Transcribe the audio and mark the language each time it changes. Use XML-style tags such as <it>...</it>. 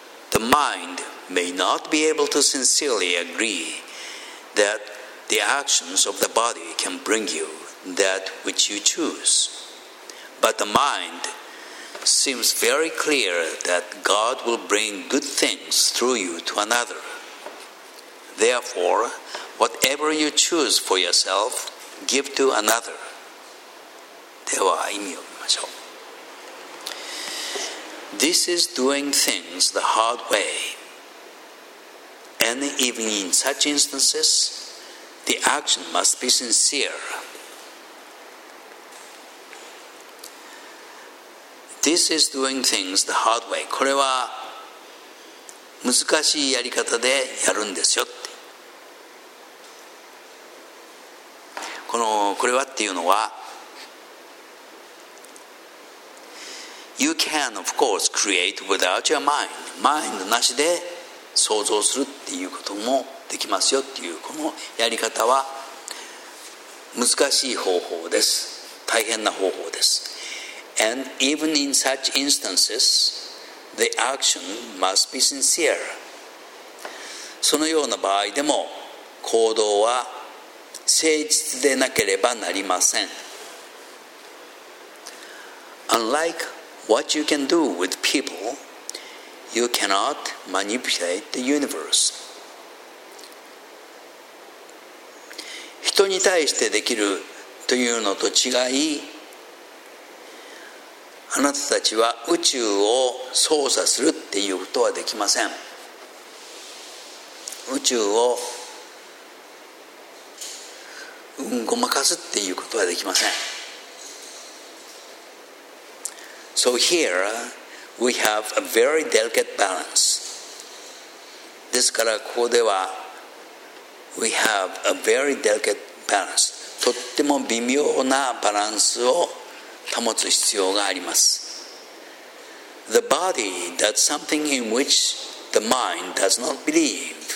<en>The mind may not be able to sincerely agree that the actions of the body can bring you that which you choose. But the mind seems very clear that God will bring good things through you to another. Therefore, whatever you choose for yourself, give to another.</en> <ja>では、意味を見ましょう。</ja> <en>This is doing things the hard way. And even in such instances, the action must be sincere. This is doing things the hard way.</en> <ja>これは難しいやり方でやるんですよ。これはっていうのは、</ja> <en>You can, of course, create without your mind.</en> <ja>Mind なしで想像するっていうこともできますよっていう、このやり方は難しい方法です。大変な方法です。</ja> <en>And even in such instances, the action must be sincere.</en> <ja>そのような場合でも、行動は誠実でなければなりません。</ja> <en>UnlikeWhat you can do with people, you cannot manipulate the universe.</en> <ja>人に対してできるというのと違い、あなたたちは宇宙を操作するっていうことはできません。宇宙をごまかすっていうことはできません。</ja> <en>So here, we have a very delicate balance.</en> <ja>ですから、ここでは、</ja> <en>we have a very delicate balance.</en> <ja>とっても微妙なバランスを保つ必要があります。</ja> <en>The body does something in which the mind does not believe.</en>